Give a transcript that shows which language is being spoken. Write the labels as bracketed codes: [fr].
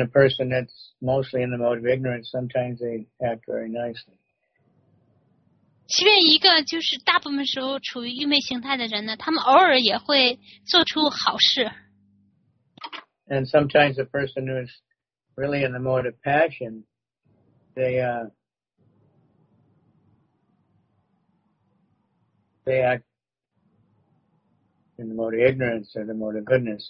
[en] a person that's mostly in the mode of ignorance, sometimes they act very nicely. [zh] 即便一个就是大部分时候处于愚昧形态的人呢,他们偶尔也会做出好事。 [en] And sometimes a person who is really in the mode of passion, they act in the mode of ignorance or the mode of goodness.